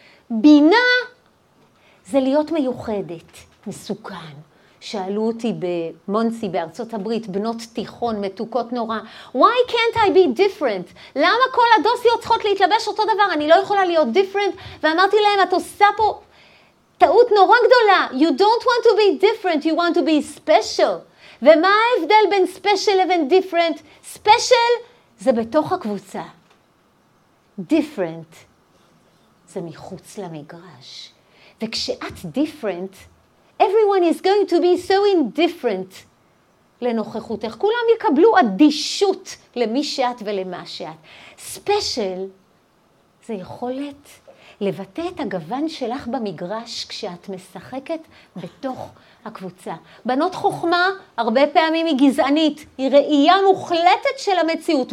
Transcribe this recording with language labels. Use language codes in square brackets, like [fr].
[he] בינה זה להיות מיוחדת, מסוכן. שאלו אותי במונצי בארצות הברית, בנות תיכון מתוקות נורא, [en] Why can't I be different? [he] למה כל הדוסיות צריכות להתלבש אותו דבר? אני לא יכולה להיות different? ואמרתי להם, את עושה פה טעות נורא גדולה. [en] You don't want to be different, you want to be special. [he] ומה ההבדל בין special לבין different? Special זה בתוך הקבוצה. Different זה מחוץ למגרש. וכשאת different, [en] everyone is going to be so indifferent [he] לנוכחותך. כולם יקבלו אדישות למי שאת ולמה שאת. Special זה יכולת לבטא את הגוון שלך במגרש כשאת משחקת בתוך הקבוצה. בנות חוכמה הרבה פעמים היא גזענית, היא ראייה מוחלטת של המציאות.